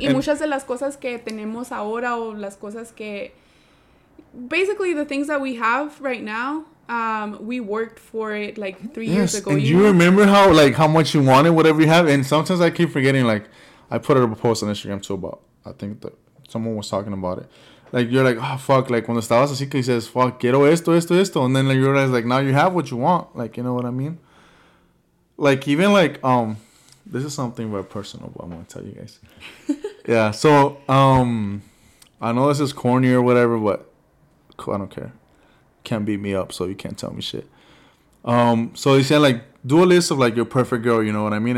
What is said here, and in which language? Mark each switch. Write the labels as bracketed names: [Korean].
[Spanish] Y muchas de las cosas que tenemos ahora, o las cosas que, [English] basically the things that we have right now, we worked for it like 3 years ago. And you remember how much you wanted whatever you have? And sometimes I keep forgetting, like, I put up a post on Instagram too about, I think that someone was talking about it. Like, you're like, oh, fuck, like, [Spanish] cuando estabas así que dices, fuck, quiero esto, esto, esto. [English] And then like, you realize, like, now you have what you want. Like, you know what I mean? Like, even, like, this is something very personal, but I'm going to tell you guys. Yeah, so, I know this is corny or whatever, but I don't care. Can't beat me up, so you can't tell me shit. So, he said, like, do a list of, like, your perfect girl, you know what I mean?